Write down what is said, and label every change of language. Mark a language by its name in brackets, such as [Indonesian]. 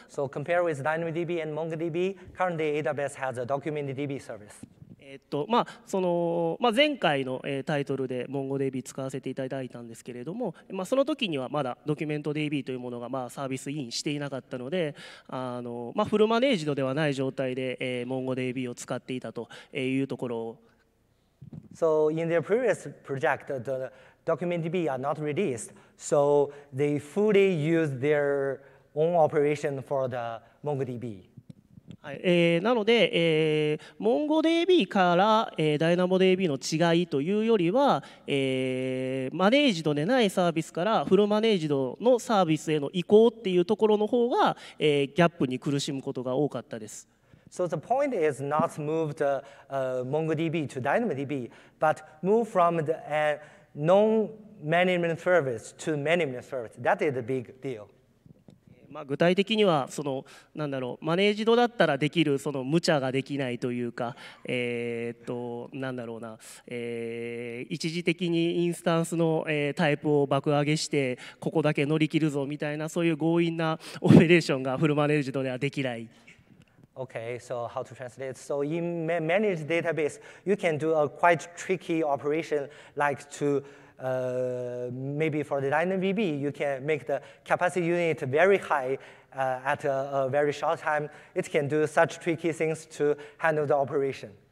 [English] So compare with DynamoDB and MongoDB, currently AWS has a document DB service. [Japanese] まあその、まあ、前回のタイトルで MongoDB 使わせていただいたんですけれども、まあ、その時にはまだドキュメント DB というものがまあサービスインしていなかったので、まあ、フルマネージドではない状態で、MongoDB を使っていたというところを。 [English] So in their previous project, the document DB are not released, so they fully use their own operation for the MongoDB. [Japanese] なので、MongoDB から、DynamoDB の違いというよりは、マネージドでないサービスからフルマネージドのサービスへの移行っていうところの方が、ギャップに苦しむことが多かったです。 [English] So the point is not move the, MongoDB to DynamoDB, but move from the, non-management service to management service. That is a big deal. [Japanese] まあ、具体的にはそのなんだろうマネージドだったらできるその無茶ができないというかなんだろうな一時的にインスタンスのタイプを爆上げしてここだけ乗り切るぞみたいなそういう強引なオペレーションがフルマネージドではできない。 [English] Okay, so how to translate? So in managed database, you can do a quite tricky operation like to maybe for the DynamoDB, you can make the capacity unit very high at a very short time. It can do such tricky things to handle the operation.